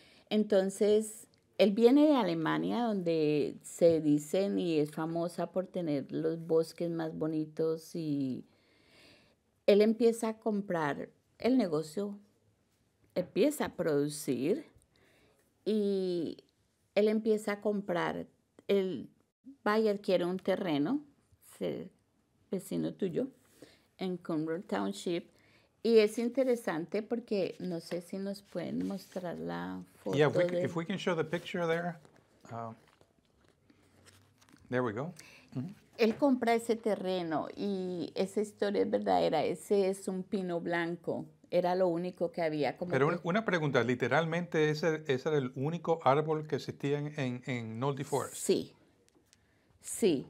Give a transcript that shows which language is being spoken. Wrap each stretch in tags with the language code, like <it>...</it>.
<es>Entonces, él viene de Alemania, donde se dicen y es famosa por tener los bosques más bonitos, y él empieza a comprar el negocio, empieza a producir, y él empieza a comprar, el Bayer quiere un terreno, el vecino tuyo, en Cumberland Township. Y es interesante porque no sé si nos pueden mostrar la foto.</es> <en>Yeah, if we can show the picture there. There we go. Mm-hmm.</en> <es>Él compra ese terreno y esa historia es verdadera. Ese es un pino blanco. era lo único que había. Como pero una pregunta, literalmente ese era el único árbol que existía en Noldy Forest. Sí, sí.</es>